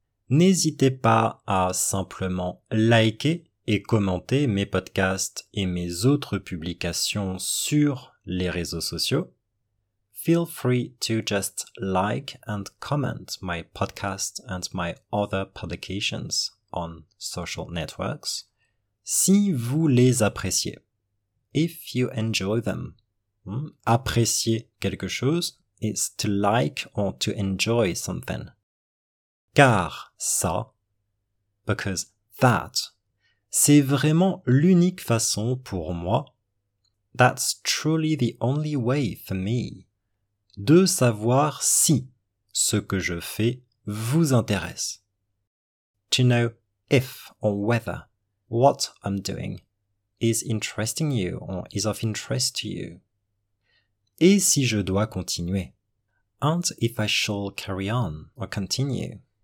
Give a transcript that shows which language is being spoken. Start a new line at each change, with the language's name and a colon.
French: n'hésitez pas à simplement liker et commenter mes podcasts et mes autres publications sur les réseaux sociaux.
English: Feel free to just like and comment my podcast and my other publications on social networks.
French: Si vous les appréciez.
English: If you enjoy them.
French: Apprécier quelque chose
English: is to like or to enjoy something.
French: Car ça,
English: because that,
French: c'est vraiment l'unique façon pour moi,
English: that's truly the only way for me,
French: de savoir si ce que je fais vous intéresse.
English: To know if or whether what I'm doing is interesting you or is of interest to you.
French: Et si je dois continuer?
English: And if I shall carry on or continue?